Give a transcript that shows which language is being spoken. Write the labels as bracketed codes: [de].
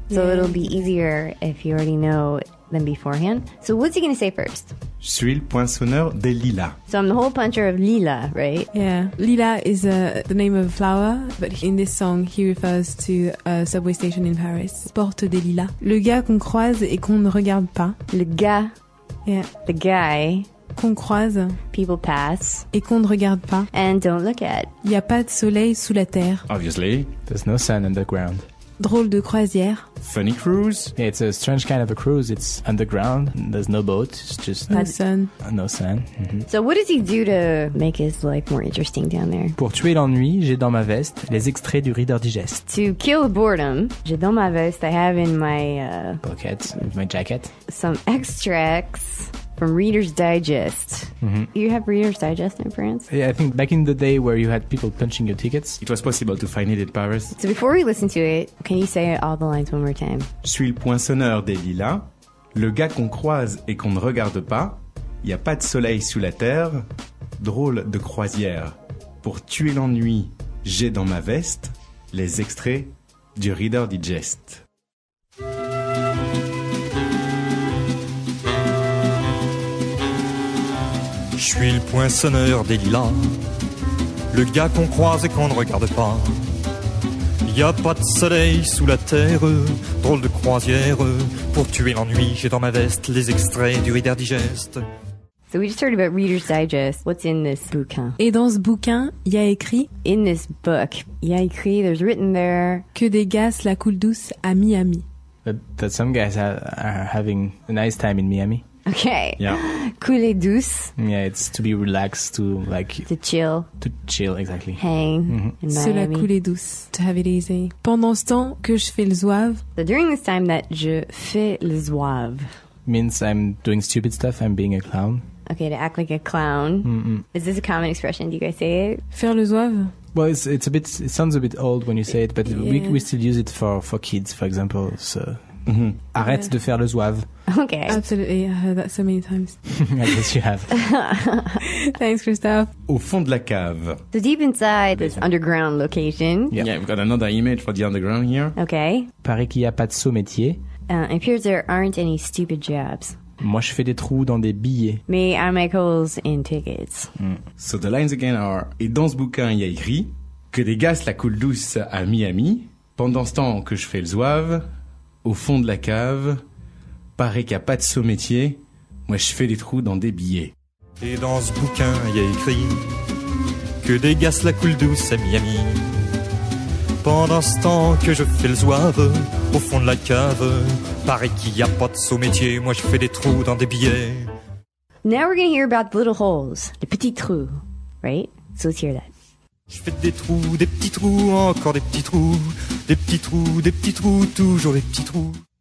[en] So it'll be easier if you already know than beforehand. So what's he going to say first? [fr] Je suis le poinçonneur des lilas. [en] So I'm the hole puncher of lila, right? Yeah. Lila is the name of a flower, but in this song, he refers to a subway station in Paris. [fr] Porte des lilas. Le gars qu'on croise et qu'on ne regarde pas. Le gars. [en] Yeah. The guy. [fr] Qu'on croise. [en] People pass. [fr] Et qu'on ne regarde pas. [en] And don't look at. [fr] Il n'y a pas de soleil sous la terre. [en] Obviously. There's no sun underground. [fr] Drôle de croisière. [en] Funny cruise. Yeah, it's a strange kind of a cruise. It's underground. There's no boat. It's just... No sun. No sun. Mm-hmm. So what does he do to make his life more interesting down there? [fr] Pour tuer l'ennui, j'ai dans ma veste les extraits du Reader Digest. [en] To kill boredom, [fr] j'ai dans ma veste, [en] I have in my... pocket, my jacket. Some extracts from Reader's Digest. Mm-hmm. You have Reader's Digest in France? Yeah, I think back in the day where you had people punching your tickets. It was possible to find it in Paris. So before we listen to it, can you say all the lines one more time? [fr] Je suis le poinçonneur des lilas. Le gars qu'on croise et qu'on ne regarde pas. Il n'y a pas de soleil sous la terre. Drôle de croisière. Pour tuer l'ennui, j'ai dans ma veste les extraits du Reader Digest. Je suis le poinçonneur des lilas, le gars qu'on croise et qu'on ne regarde pas. Y a pas de soleil sous la terre, drôle de croisière. Pour tuer l'ennui, j'ai dans ma veste les extraits du Reader Digest. [en] So we just heard about Reader's Digest. What's in this bouquin? [fr] Et dans ce bouquin, y a écrit. [en] In this book, [fr] y a écrit. [en] There's written there. [fr] Que des gars la coule douce à Miami. [en] That some guys are having a nice time in Miami. Okay. Yeah. [fr] Cool et douce. [en] Yeah, it's to be relaxed, to like... To chill. To chill, exactly. Hang in Miami. [fr] Cela cool et douce, [en] to have it easy. [fr] Pendant ce temps que je fais le zouave. [en] So during this time that [fr] je fais le zouave. [en] Means I'm doing stupid stuff, I'm being a clown. Okay, to act like a clown. Mm-mm. Is this a common expression? Do you guys say it? [fr] Faire le zouave? [en] Well, it sounds a bit old when you say it, but yeah. we still use it for kids, for example, so... Mm-hmm. [fr] Arrête de faire le zouave. [en] Okay. Absolutely, I heard that so many times. I guess you have. Thanks, Christophe. [fr] Au fond de la cave. [en] So deep inside this underground location. Yeah, we've got another image for the underground here. Okay. [fr] Paraît qu'il n'y a pas de saut métier. [en] It appears there aren't any stupid jobs. [fr] Moi, je fais des trous dans des billets. [en] Me, I make holes in tickets. Mm. So the lines again are, [fr] et dans ce bouquin, il y a écrit, que des gars la coulent douce à Miami, pendant ce temps que je fais le zouave... Au fond de la cave, paraît qu'il n'y a pas de saut métier. Moi, je fais des trous dans des billets. Et dans ce bouquin, il y a écrit que des gars la coulent douce à Miami. Pendant ce temps que je fais le zouave, au fond de la cave, paraît qu'il n'y a pas de saut métier. Moi, je fais des trous dans des billets. [en] Now we're going to hear about the little holes, the petits trous, right? So let's hear that. [fr] Je fais des petits trous, encore des petits trous. Des petits trous, des petits trous, toujours des petits trous.